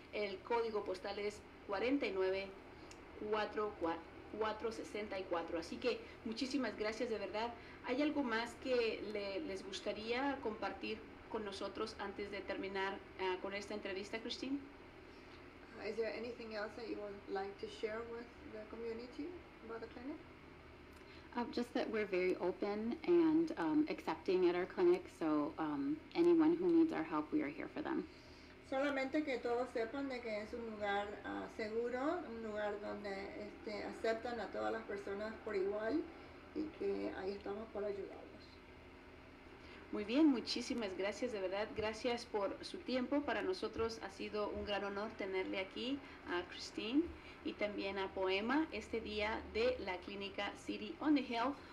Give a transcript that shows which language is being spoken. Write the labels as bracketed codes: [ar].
[es] El código postal es 4944. 464. Así que muchísimas gracias, de verdad. ¿Hay algo más que les gustaría compartir con nosotros antes de terminar con esta entrevista, Christine? [en] Is there anything else that you would like to share with the community about the clinic? Just that we're very open and accepting at our clinic, so anyone who needs our help, we are here for them. [es] Solamente que todos sepan de que es un lugar seguro, un lugar donde aceptan a todas las personas por igual y que ahí estamos para ayudarlos. Muy bien, muchísimas gracias, de verdad. Gracias por su tiempo. Para nosotros ha sido un gran honor tenerle aquí a Christine y también a Poema este día de la clínica City on the Hill.